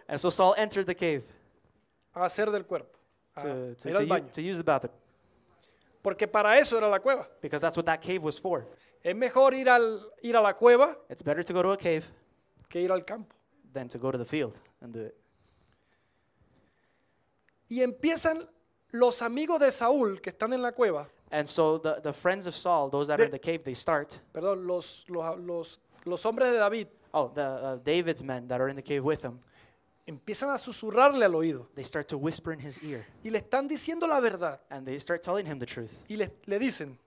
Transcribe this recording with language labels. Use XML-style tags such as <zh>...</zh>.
<en>And so Saul entered the cave.</en> <es>A hacer del cuerpo.</es> <en>To use the bathroom.</en> <es>Porque para eso era la cueva.</es> <en>Because that's what that cave was for.</en> <es>Es mejor ir a la cueva.</es> <en>It's better to go to a cave.</en> <es>Que ir al campo.</es> <en>Than to go to the field and do it.</en> <es>Y empiezan los amigos de Saúl que están en la cueva.</es> <en>And so the friends of Saul, those that are in the cave, they start.</en> <es>Perdón, los hombres de David.</es> <en>Oh, the David's men that are in the cave with him.</en> <es>Empiezan a susurrarle al oído.</es> <en>They start to whisper in his ear.</en> <es>Y le están diciendo la verdad.</es> <en>And they start telling him the truth.</en> <es>Y le dicen.</es>